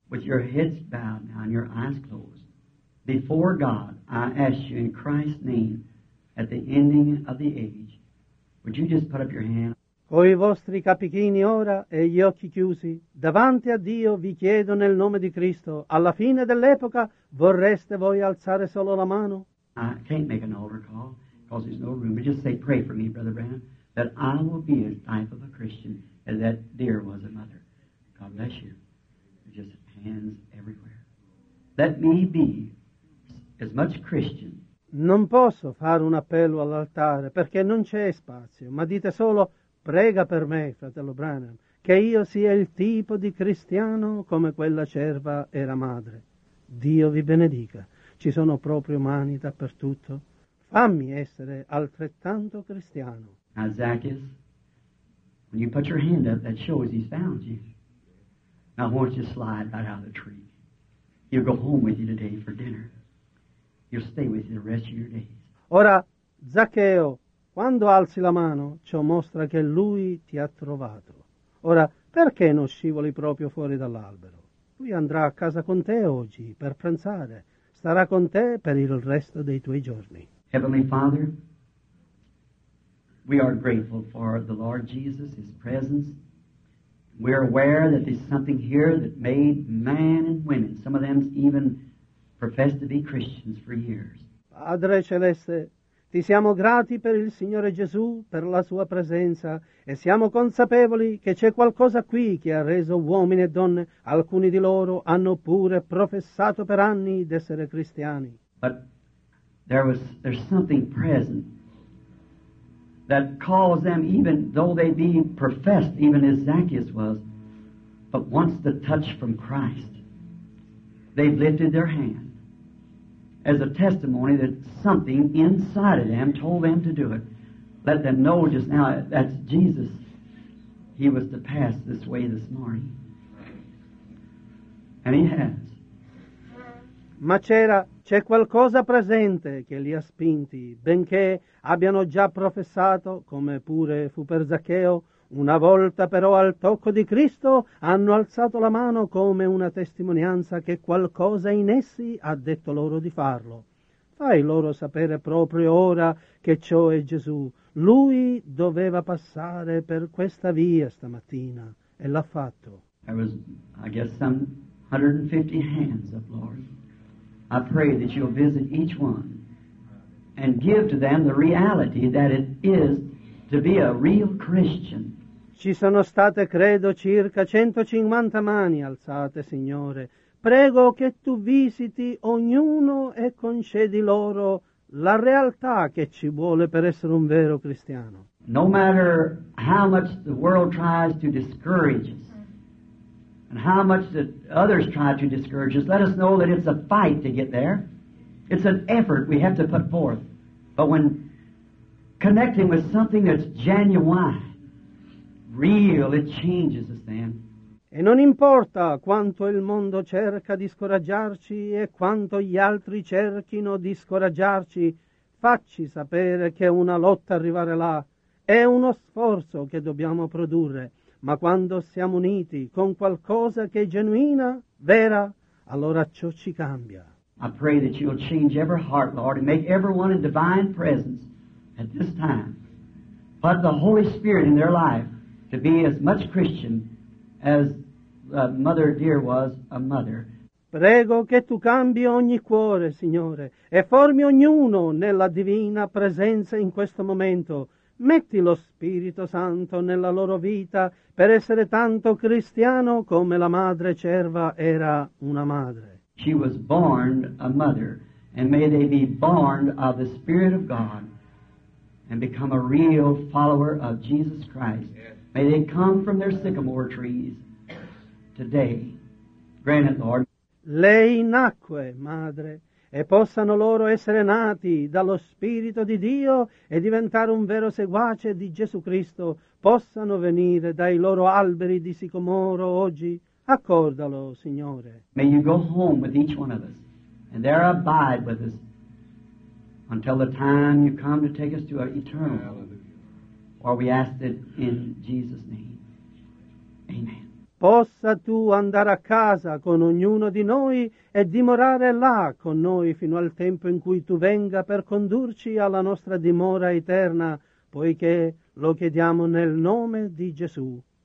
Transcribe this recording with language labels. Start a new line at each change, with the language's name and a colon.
English: With your heads bowed now and your eyes closed, before God, I ask you in Christ's name, at the ending of the age, would you just put up your hand?
Italian: Coi vostri capichini ora e gli occhi chiusi, davanti a Dio vi chiedo nel nome di Cristo, alla fine dell'epoca, vorreste voi alzare solo la mano?
English: I can't make an altar call, because there's no room, but just say, pray for me, Brother Branham, that I will be as type of a Christian as that deer was a mother. God bless you. Just hands everywhere. Let me be as much Christian.
Italian: Non posso fare un appello all'altare perché non c'è spazio, ma dite solo prega per me, fratello Branham, che io sia il tipo di cristiano come quella cerva era madre. Dio vi benedica. Ci sono proprio mani dappertutto. Fammi essere altrettanto cristiano.
English: Now, Zacchaeus, When you put your hand up, that shows he's found you. Now, why don't you slide right out of the tree? He'll go home with you today for dinner. He'll stay with you the rest of your days.
Italian: Ora, Zaccheo, quando alzi la mano, ciò mostra che lui ti ha trovato. Ora, perché non scivoli proprio fuori dall'albero? Lui andrà a casa con te oggi per pranzare. Starà con te per il resto dei tuoi giorni.
English: Heavenly Father, we are grateful for the Lord Jesus, His presence. We're aware that there's something here that made men and women, some of them even professed to be Christians for years.
Italian: Padre Celeste, ti siamo grati per il Signore Gesù, per la sua presenza, e siamo consapevoli che c'è qualcosa qui che ha reso uomini e donne, alcuni di loro hanno pure professato per anni di essere cristiani.
English: But there's something present that caused them, even though they be professed, even as Zacchaeus was, but once the touch from Christ, they've lifted their hand as a testimony that something inside of them told them to do it. Let them know just now that's Jesus. He was to pass this way this morning. And He has.
Italian: Ma c'è qualcosa presente che li ha spinti, benché abbiano già professato, come pure fu per Zaccheo, una volta però al tocco di Cristo hanno alzato la mano come una testimonianza che qualcosa in essi ha detto loro di farlo. Fai loro sapere proprio ora che ciò è Gesù. Lui doveva passare per questa via stamattina e l'ha fatto.
English: There was, I guess, some 150 hands up, Lord. I pray that you'll visit each one and give to them the reality that it is to be a real Christian.
Italian: Ci sono state, credo, circa 150 mani alzate, Signore. Prego che Tu visiti ognuno e concedi loro la realtà che ci vuole per essere un vero cristiano.
English: No matter how much the world tries to discourage us, and how much that others try to discourage us, let us know that it's a fight to get there. It's an effort we have to put forth. But when connecting with something that's genuine, real, it changes us then.
Italian: E non importa quanto il mondo cerca di scoraggiarci e quanto gli altri cerchino di scoraggiarci, facci sapere che è una lotta arrivare là, è uno sforzo che dobbiamo produrre. Ma quando siamo uniti con qualcosa che è genuina, vera, allora ciò ci cambia.
English: I pray that you'll change every heart, Lord, and make everyone in divine presence at this time. Put the Holy Spirit in their life to be as much Christian as Mother Dear was a mother.
Italian: Prego che tu cambi ogni cuore, Signore, e formi ognuno nella divina presenza in questo momento. Metti lo Spirito Santo nella loro vita per essere tanto cristiano come la madre cerva era una madre.
English: She was born a mother, and may they be born of the Spirit of God and become a real follower of Jesus Christ. May they come from their sycamore trees today. Grant it, Lord.
Italian: Lei nacque, madre. E possano loro essere nati dallo Spirito di Dio e diventare un vero seguace di Gesù Cristo. Possano venire dai loro alberi di sicomoro oggi. Accordalo, Signore.
English: May you go home with each one of us and there abide with us until the time you come to take us to our eternal home. For we ask it in Jesus' name. Amen.
Italian: Possa tu andare a casa con ognuno di noi e dimorare là con noi fino al tempo in cui tu venga per condurci alla nostra dimora eterna, poiché lo chiediamo nel nome di Gesù.